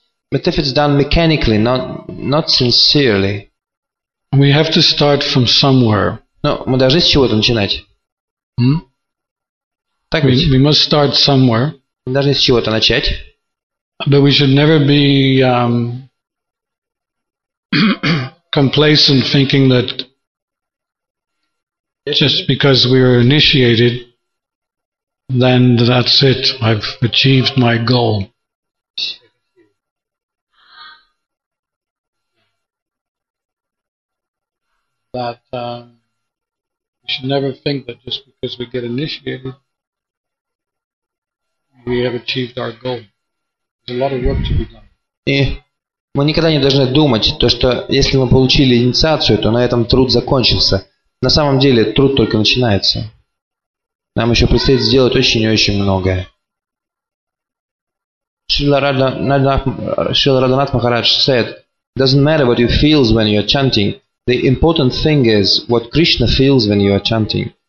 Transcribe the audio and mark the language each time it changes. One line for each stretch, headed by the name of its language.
English: But if it's done mechanically, not sincerely. We have to start from somewhere.
Russian: Но мы должны с чего-то начинать. Hmm? Так
English: we must start somewhere.
Russian: Мы должны с чего-то начать.
English: But we should never be complacent, thinking that just because we are initiated, then that's it. I've achieved my goal. That we should never think that just because we get initiated, we have achieved our goal. There's a lot of work to be done.
Russian: Мы никогда не должны думать, то, что если мы получили инициацию, то на этом труд закончился. На самом деле труд только начинается. Нам еще предстоит сделать очень и очень многое.
English: Шрила Радханат Махарадж said, doesn't matter what you feel when you are chanting, the important thing is what Krishna feels when you are chanting.